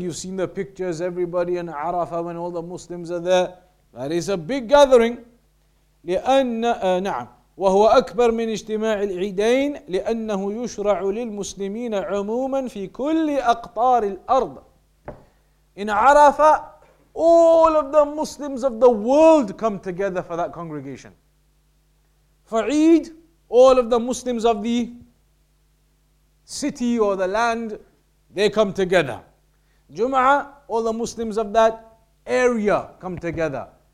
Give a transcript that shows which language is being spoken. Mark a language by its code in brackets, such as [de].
[en] You've seen the pictures, everybody in Arafah when all the Muslims are there. That is a big gathering. [ar] لأن نعم وهو أكبر من اجتماع العيدين لأنه يشرع للمسلمين عموما في كل أقطار الأرض. [en] In Arafah, all of the Muslims of the world come together for that congregation. For Eid, all of the Muslims of the city or the land, they come together. Jumu'ah, all the Muslims of that area come together.